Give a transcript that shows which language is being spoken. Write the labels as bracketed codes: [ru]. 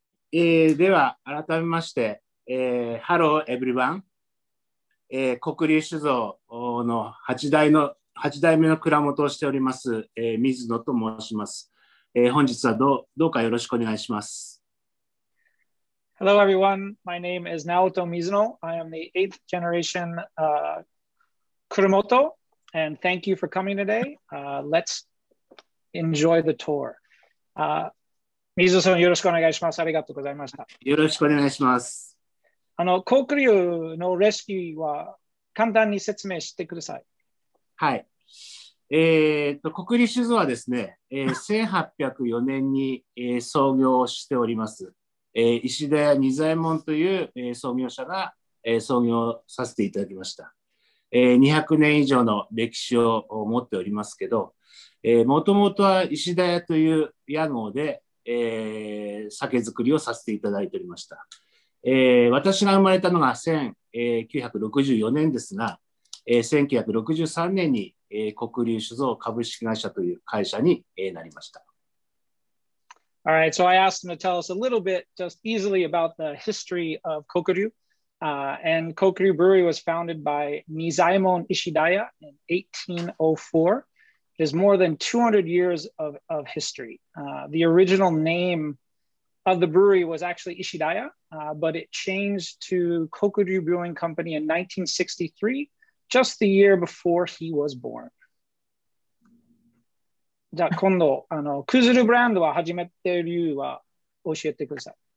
[ja] では改めまして、ハロー、エブリワン。 Kokuryu酒造の8代目の蔵元をしております、水野と申します。本日はどうかよろしくお願いします。 [en] Hello everyone, my name is Naoto Mizuno. I am the 8th generation Kuramoto, and thank you for coming today. Let's enjoy the tour. Mizuno-san, [ja] よろしくお願いします。ありがとうございました。よろしくお願いします。 Kokuryu のレシピは簡単に説明してください。はい。Kokuryu酒造はですね、1804年に創業しております。石田仁左衛門という創業者が創業させていただきました。 200年以上の歴史を持っておりますけど、もともとは石田屋という屋号で酒造りをさせていただいておりました。私が生まれたのが1964年ですが、1963年に Kokuryu酒造株式会社という会社になりました。 [en] All right, so I asked him to tell us a little bit just easily about the history of Kokuryu. And Kokuryu Brewery was founded by Nizaimon Ishidaya in 1804. It is more than 200 years of history. The original name of the brewery was actually Ishidaya, but it changed to Kokuryu Brewing Company in 1963, just the year before he was born. [ja] じゃあ今度クズルブランドは始めている理由は教えてください。